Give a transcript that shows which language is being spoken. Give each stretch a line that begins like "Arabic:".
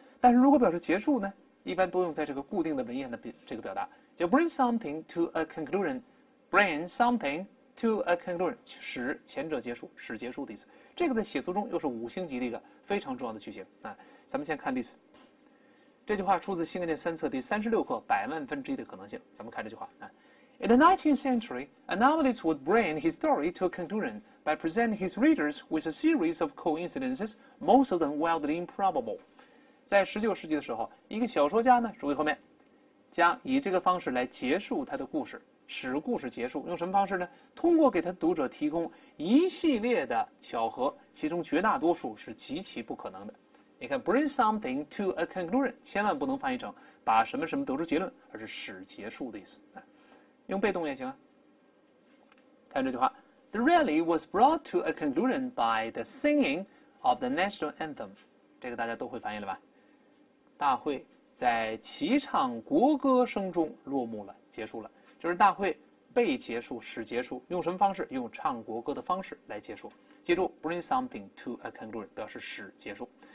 Chinese: 但是如果表示结束呢，一般多用在这个固定的文言的这个表达，叫
English: bring something to a conclusion，
Chinese: bring something to a conclusion， 使前者结束，使结束的意思。这个在写作中又是五星级的一个非常重要的句型啊。咱们先看例子，这句话出自新概念三册第36课《百万分之一的可能性》。咱们看这句话啊。
English: In the 19th century, a novelist would bring his story to a conclusion by presenting his readers with a series of coincidences, most of them wildly improbable.
Chinese: 在19世纪的时候，一个小说家呢，注意后面，将以这个方式来结束他的故事，使故事结束。用什么方式呢？通过给他读者提供一系列的巧合，其中绝大多数是极其不可能的。你看
English: bring something to a conclusion
Chinese: 千万不能翻译成把什么什么得出结论，而是使结束的意思。用被动也行啊。看这句话
English: ，The rally was brought to a conclusion by the singing of the national anthem。
Chinese: 这个大家都会翻译了吧？大会在齐唱国歌声中落幕了，结束了。就是大会被结束，使结束，用什么方式？用唱国歌的方式来结束。记住 ，
English: bring something to a conclusion
Chinese: 表示使结束。